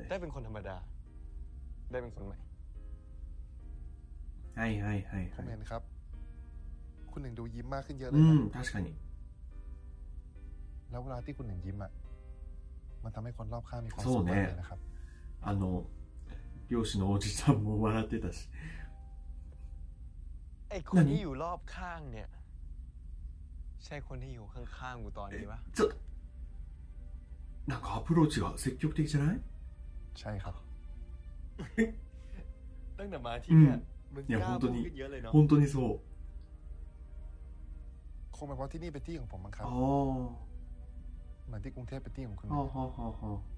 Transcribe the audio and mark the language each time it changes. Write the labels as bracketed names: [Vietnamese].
[Thai] ได้เป็นคนธรรมดาได้เป็นคนใหม่ให้ให้ให้ ผมเห็นครับคุณหนึ่งดูยิ้มมากขึ้นเยอะเลย ครับ [Japanese] 確かに [Thai] แล้วเวลาที่คุณหนึ่งยิ้มอ่ะมันทำให้คนรอบข้างมีความสุขมากเลยนะครับ [Japanese] あの漁師のおじさんも笑ってたし。え、この人いるローブ康ね。 [Thai] ใช่คนที่อยู่ข้างๆกูตอนนี้ป่ะ？ [Japanese] ちょっと。なんかアプローチが積極的じゃない？ [Thai] ใช่ครับ。 ตั้งแต่มาที่เนี่ย มันกล้าพูดกันเยอะเลยเนาะ。 [Japanese] 本当にそう。 [Thai] คงเป็นเพราะที่นี่เป็นที่ของผมมั้งครับ。 อ๋อ。 เหมือนที่กรุงเทพเป็นที่ของคุณ。 อ๋อ。